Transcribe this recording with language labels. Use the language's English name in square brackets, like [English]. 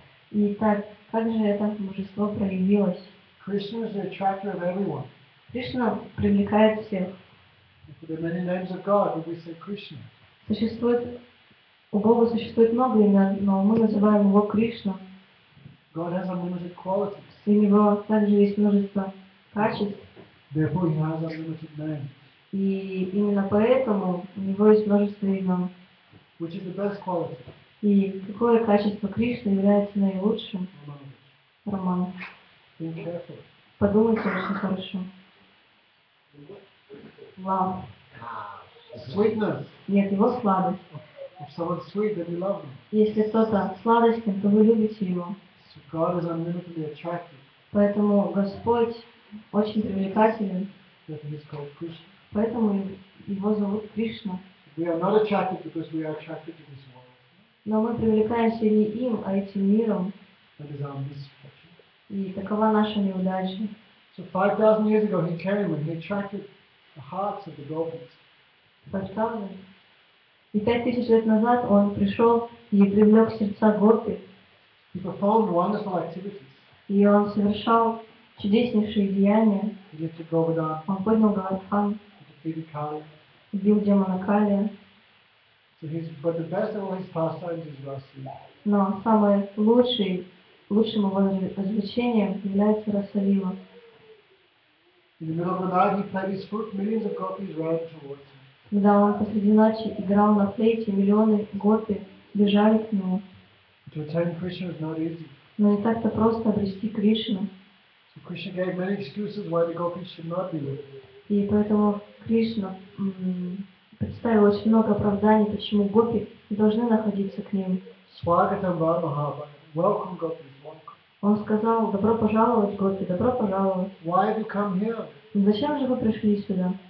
[Russian] Итак, как же это божество проявилось? [English] Кришна is the attractor of everyone. [Russian] Кришна привлекает всех. [English] For the many names of God, we say Krishna. [Russian] Существует у Бога существует много имен, но мы называем его Кришна. [English] God has unlimited qualities. [Russian] И у него также есть множество качеств. [English] Therefore, he has unlimited names. [Russian] И именно поэтому у него есть множество имен. [English] Which is the best quality? [Russian] И какое качество Кришны является наилучшим? Роман. Подумайте очень хорошо. [English] Love. Sweetness. [Russian] Нет, его сладость. [English] If someone's sweet, then you love them. [Russian] Если кто-то сладостен, то вы любите его. [English] So God is unlimitedly attractive. [Russian] Поэтому Господь очень привлекателен. [English] That he is called Krishna. [Russian] Поэтому его зовут Кришна. [English] We are not attracted because we are attracted to this world. [Russian] Но мы привлекаемся не им, а этим миром. [English] That is our misfortune. [Russian] И такова наша неудача. [English] So 5,000 years ago he came and he attracted the hearts of the gopis. [Russian] И 5,000 лет назад он пришел и привлек сердца гопи. [English] He performed wonderful activities. [Russian] И он совершал чудеснейшие деяния. [English] He did the Govardhan. [Russian] Он поднял Говардхан. [English] He defeated Kali. [Russian] Убил демона Кали. [English] So he's, but the best of all his pastimes is Rasalila. [Russian] Но самое лучшее, лучшим его развлечением является Расалила. [English] In the middle of the night he played his flute, millions of gopis ran towards him. [Russian] Когда он посреди ночи играл на флейте, миллионы гопи бежали к нему. [English] To attain Krishna is not easy. [Russian] Но не так-то просто обрести Кришну. [English] So Krishna gave many excuses why the gopis should not be with [Russian] him. И поэтому Кришна представил очень много оправданий, почему гопи должны находиться к ним. [Sanskrit] Swagatam Vamahava. [English] Welcome gopis, welcome. [Russian] Он сказал, добро пожаловать, гопи, добро пожаловать. [English] Why have you come here? [Russian] Зачем же вы пришли сюда?